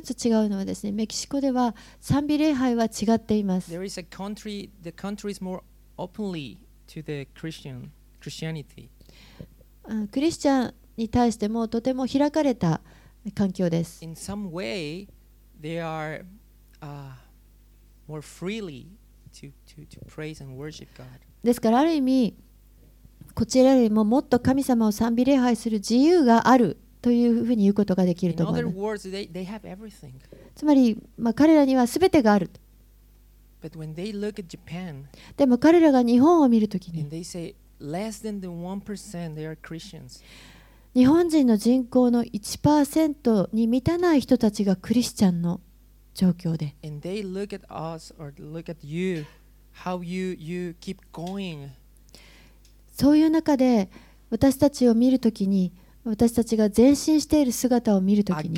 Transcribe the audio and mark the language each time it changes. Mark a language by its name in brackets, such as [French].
[Japanese] つ違うのはですね、メキシコでは賛美礼拝は違っています。 [English] There is a country, the country is more openly to the Christian, Christianity. [Japanese] クリスチャンに対してもとても開かれた環境です。 [English] In some way, they areMore freely to praise and worship God. [Japanese] ですからある意味こちらよりももっと神様を賛美礼拝する自由があるというふうに言うことができると思います。 [English] In other words, they have everything. [Japanese] つまり、彼らには全てがある。 [English] But when they look at Japan, [Japanese] でも彼らが日本を見るときに、 [English] And they say less than the 1% they are Christians. [Japanese] 日本人の人口の 1% に満たない人たちがクリスチャンの状況で、 [English] And they look at us or look at you, how you keep going. [Japanese] そういう中で私たちを見るときに、私たちが前進している姿を見るときに、